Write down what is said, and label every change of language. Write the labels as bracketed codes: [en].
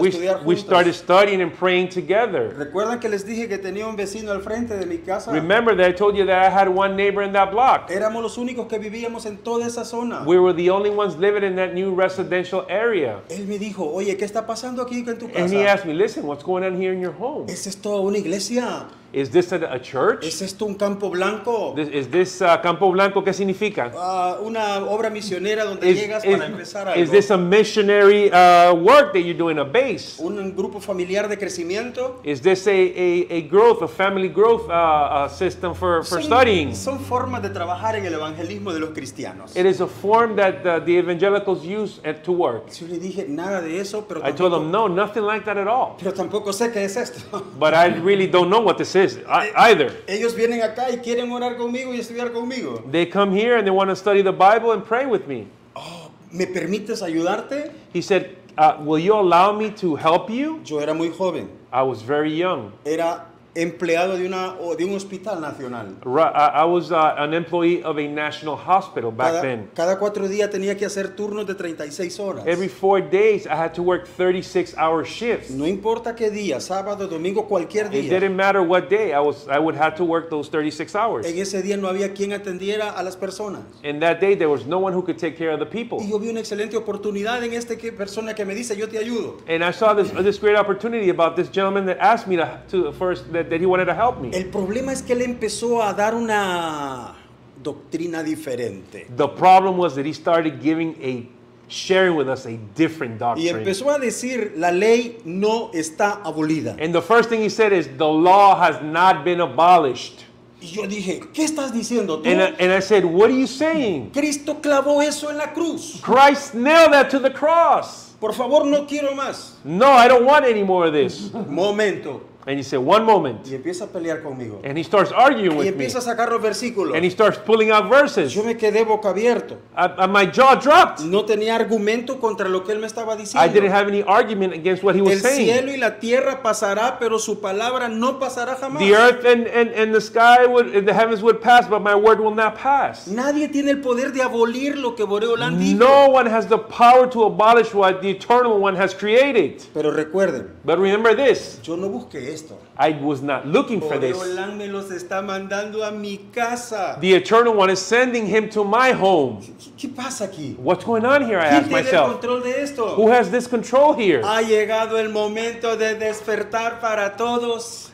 [es] estudiar juntos. [en] We started studying and praying together. [es] ¿Recuerdan que les dije que tenía un vecino al frente de mi casa? [en] Remember that I told you that I had one neighbor in that block. [es] Éramos los únicos que vivíamos en toda esa zona. [en] We were the only ones living in that new residential area. [es] Él me dijo, oye, ¿qué está pasando aquí en tu casa? [en] And he asked me, listen, what's going on here in your home? [es] ¿Es esto una iglesia? [en] Is this a church? [es] ¿Es esto un campo blanco? [en] Is this campo blanco, [es] ¿qué significa? Una obra misionera donde llegas para empezar algo. [en] Is this a missionary work that you're doing, a base? [es] ¿Un grupo familiar de crecimiento? [en] Is this a family growth system for studying? [es] Son formas de trabajar en el evangelismo de los cristianos. [en] It is a form that the evangelicals use to work. [es] Yo le dije nada de eso, pero tampoco, [en] I told them, no, nothing like that at all. [es] Pero tampoco sé qué es esto. [en] But I really don't know what this is either. [es] Ellos vienen acá y quieren orar conmigo y estudiar conmigo. [en] They come here and they want to study the Bible and pray with me. [es] Oh, ¿me permites ayudarte? [en] He said, will you allow me to help you? [es] Yo era muy joven. [en] I was very young. [es] Era empleado de un hospital nacional. [en] I was an employee of a national hospital back then. [es] Cada cuatro días tenía que hacer turnos de 36 horas. [en] Every 4 days I had to work 36-hour shifts. [es] No importa qué día, sábado, domingo, cualquier día. [en] It didn't matter what day I would have to work those 36 hours. [es] En ese día no había quien atendiera a las personas. [en] In that day there was no one who could take care of the people. [es] Y yo vi una excelente oportunidad en esta persona que me dice yo te ayudo. [en] And I saw this great opportunity about this gentleman that asked me that he wanted to help me. [es] El problema es que él empezó a dar una doctrina diferente. [en] The problem was that he started sharing with us a different doctrine. [es] Y empezó a decir, la ley no está abolida. [en] And the first thing he said is, the law has not been abolished. [es] Y yo dije, ¿qué estás diciendo tú? [en] And I said, what are you saying? [es] Cristo clavó eso en la cruz. [en] Christ nailed that to the cross. [es] Por favor, no quiero más. [en] No, I don't want any more of this. [es] Momento. [en] And he said, one moment. [es] Y empieza a pelear conmigo. [en] And he starts arguing with me. [es] Y empieza a sacar los versículos. [en] And he starts pulling out verses. [es] Yo me quedé boca abierto. [en] My jaw dropped. [es] No tenía argumento contra lo que él me estaba diciendo. [en] I didn't have any argument against what he was saying. [es] El cielo y la tierra pasará, pero su palabra no pasará jamás. [en] The earth and the sky would, and the heavens would pass, but my word will not pass. [es] Nadie tiene el poder de abolir lo que Boreo Land dijo. [en] No one has the power to abolish what the Eternal One has created. [es] Pero recuerden. [en] But remember this. [es] Yo no busqué eso. [en] I was not looking for this. [es] Me los está mandando a mi casa. [en] The Eternal One is sending him to my home. [es] ¿Qué pasa aquí? [en] What's going on here? I asked myself. [es] Control de esto? [en] Who has this control here? [es] Ha llegado el momento de despertar para todos.